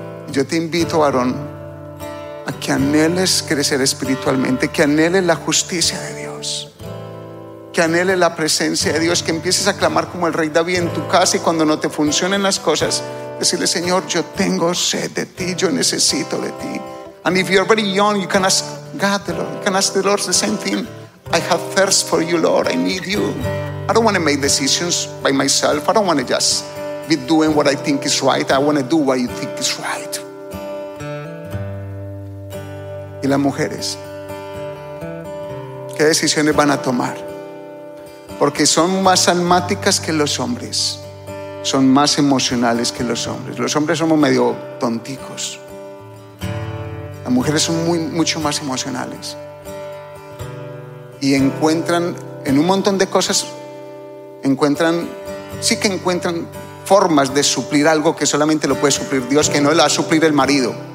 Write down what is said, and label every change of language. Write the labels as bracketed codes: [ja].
[es] Yo te invito, varón, a que anheles crecer espiritualmente, que anheles la justicia de Dios, que anheles la presencia de Dios, que empieces a clamar como el rey David en tu casa, y cuando no te funcionen las cosas, decirle: Señor, yo tengo sed de ti, yo necesito de ti. [en] And if you're very young, you can ask God, the Lord, you can ask the Lord the same thing. I have thirst for you, Lord, I need you. I don't want to make decisions by myself. I don't want to just be doing what I think is right. I want to do what you think is right. [es] Y las mujeres, ¿qué decisiones van a tomar? Porque son más almáticas que los hombres, son más emocionales que los hombres. Los hombres somos medio tonticos, las mujeres son muy, mucho más emocionales, y encuentran en un montón de cosas, encuentran, sí que encuentran formas de suplir algo que solamente lo puede suplir Dios, que no lo va a suplir el marido,